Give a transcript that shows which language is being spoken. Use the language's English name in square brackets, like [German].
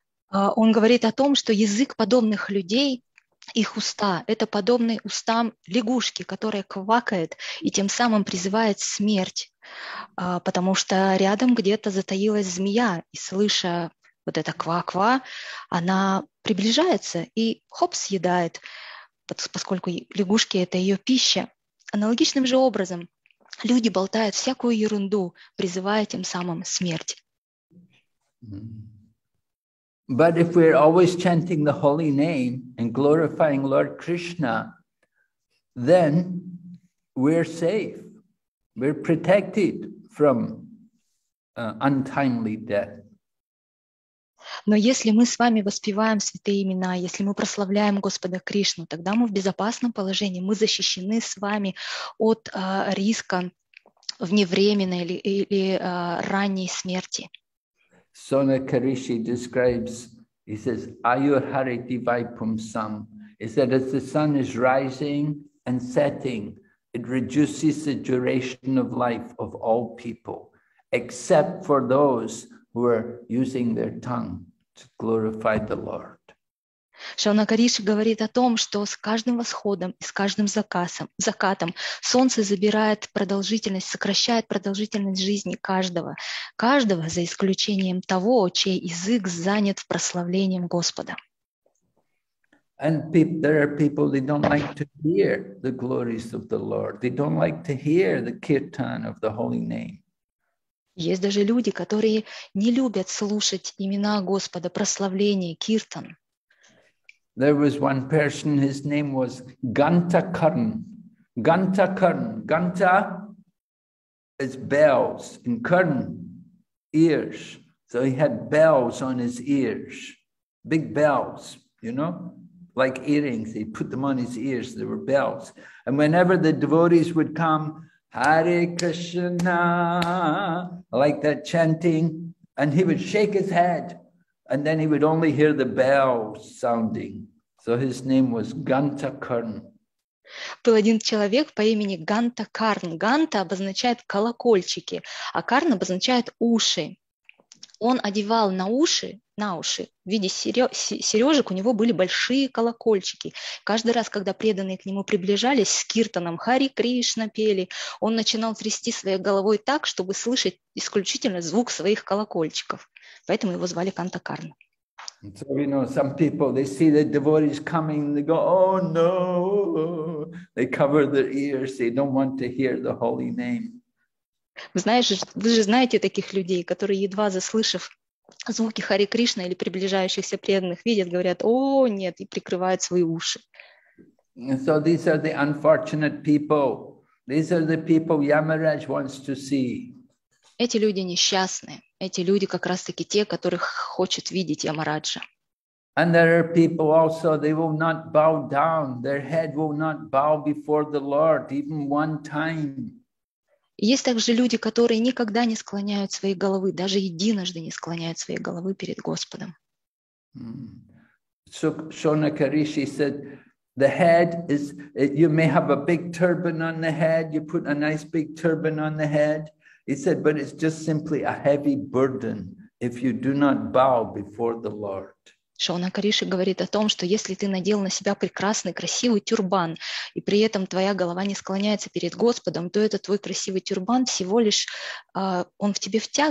[Russian] Он говорит о том, что язык подобных людей, их уста, это подобные устам лягушки, которая квакает и тем самым призывает смерть, потому что рядом где-то затаилась змея, и слыша вот это ква-ква, она приближается и хоп, съедает, поскольку лягушки – это ее пища. Аналогичным же образом люди болтают всякую ерунду, призывая тем самым смерть. [English] But if we're always chanting the holy name and glorifying Lord Krishna, then we're safe. We're protected from untimely death. [Russian] Но если мы с вами воспеваем святые имена, если мы прославляем Господа Кришну, тогда мы в безопасном положении, мы защищены с вами от риска вневременной или ранней смерти. [English] Shonakarishi describes, he says, [Sanskrit] Ayur Hari Divaipumsam, [English] is that as the sun is rising and setting, it reduces the duration of life of all people, except for those who are using their tongue to glorify the Lord. [Russian] Шонакариши говорит о том, что с каждым восходом и с каждым закатом солнце забирает продолжительность, сокращает продолжительность жизни каждого, каждого за исключением того, чей язык занят в прославлении Господа. [English] And there are people, they don't like to hear the glories of the Lord. They don't like to hear the kirtan of the holy name. [Russian] Есть даже люди, которые не любят слушать имена Господа, прославление, киртан. [English] There was one person, his name was Gantakarn. Gantakarn. Ganta is bells, and Karn, ears. So he had bells on his ears, big bells, you know, like earrings. He put them on his ears, there were bells. And whenever the devotees would come, Hare Krishna, like that chanting, and he would shake his head, and then he would only hear the bells sounding. So his name was Gantakarn. [Russian] Был один человек по имени Гантакарн. Ганта обозначает колокольчики, а Карн обозначает уши. Он одевал на уши, в виде сережек у него были большие колокольчики. Каждый раз, когда преданные к нему приближались с киртаном, Хари Кришна пели, он начинал трясти своей головой так, чтобы слышать исключительно звук своих колокольчиков. Поэтому его звали Гантакарн. [English] So, you know, some people, they see the devotees coming, they go, oh, no. They cover their ears, they don't want to hear the holy name. [Russian] Вы же знаете таких людей, которые, едва заслышав звуки Хари Кришна или приближающихся преданных, видят, говорят, о, нет, и прикрывают свои уши. [English] So these are the unfortunate people. These are the people Yamaraj wants to see. [Russian] Эти люди несчастные. Эти люди как раз-таки те, которых хочет видеть Ямараджа. [English] And there are people also, they will not bow down, their head will not bow before the Lord even one time. [Russian] Есть также люди, которые никогда не склоняют свои головы, даже единожды не склоняют свои головы перед Господом. [English] Шона Кариши said, the head is, you may have a big turban on the head, you put a nice big turban on the head. He said, but it's just simply a heavy burden if you do not bow before the Lord. [Russian] Шона Кариши говорит о том, что если ты надел на себя прекрасный, красивый тюрбан, и при этом твоя голова не склоняется перед Господом, то этот твой красивый тюрбан всего лишь, он в тебе в